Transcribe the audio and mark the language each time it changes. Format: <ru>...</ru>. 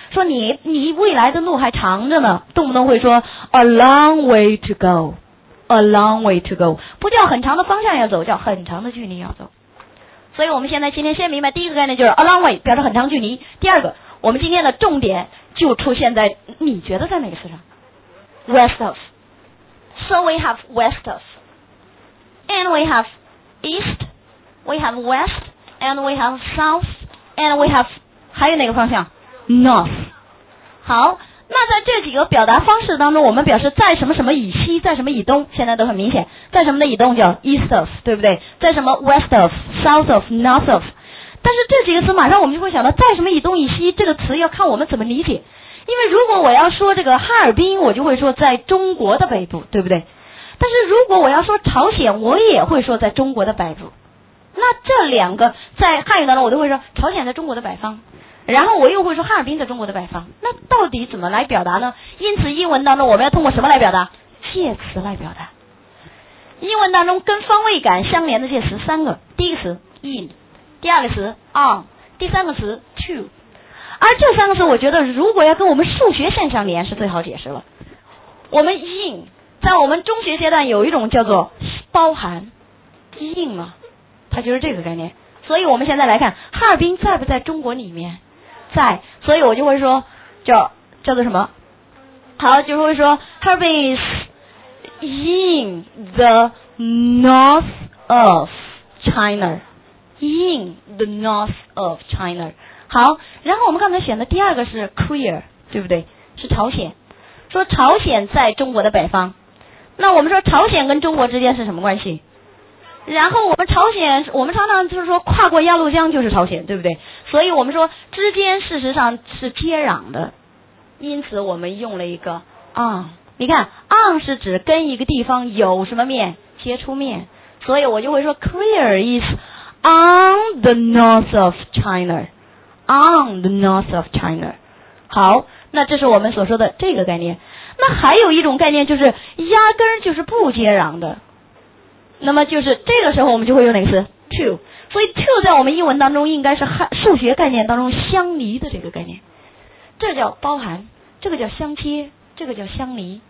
<zh>说你未来的路还长着呢，动不动会说</zh> <en>A long way to goA long way to go，</en> <zh>不叫很长的方向要走，叫很长的距离要走。所以我们现在今天先明白第一个概念，就是 a long way 表示很长距离。第二个，我们今天的重点就出现在你觉得在哪个词上？</zh> <en>West of。 So we have west of and we have east， we have west and we have south and we have</en> <zh>还有哪个方向？</zh> <en>North。</en> <zh>好，那在这几个表达方式当中，我们表示在什么什么以西，在什么以东，现在都很明显，在什么的以东叫</zh> <en>east of，</en> <zh>对不对？在什么</zh> <en>west of， south of， north of。</en> <zh>但是这几个词马上我们就会想到，在什么以东以西这个词要看我们怎么理解。因为如果我要说这个哈尔滨，我就会说在中国的北部，对不对？但是如果我要说朝鲜，我也会说在中国的北部。那这两个在汉语当中，我都会说朝鲜在中国的北方，然后我又会说哈尔滨在中国的北方，那到底怎么来表达呢？因此英文当中我们要通过什么来表达？介词来表达。英文当中跟方位感相连的介词三个，第一个词 in， 第二个词 on， 第三个词 to。而这三个词我觉得如果要跟我们数学线相连是最好解释了。我们 in 在我们中学阶段有一种叫做包含 in 嘛，它就是这个概念。所以我们现在来看哈尔滨在不在中国里面，在。所以我就会说叫做什么，好，就是会说</zh> <en>Harbin is in the north of China，</en> <zh>in the north of China。好，然后我们刚才选的第二个是 Korea， 对不对？是朝鲜，说朝鲜在中国的北方。那我们说朝鲜跟中国之间是什么关系？然后我们朝鲜，我们常常就是说跨过鸭绿江就是朝鲜，对不对？所以我们说之间事实上是接壤的，因此我们用了一个 on。你看 on 是指跟一个地方有什么面，接触面，所以我就会说</zh> <en>Korea is on the north of China，</en> <zh>on the north of China。好，那这是我们所说的这个概念。那还有一种概念就是压根就是不接壤的，那么就是这个时候我们就会用哪个词？</zh> <en>to。</en> <zh>所以 to 在我们英文当中应该是数学概念当中相离的这个概念，这叫包含，这个叫相切，这个叫相离。</zh>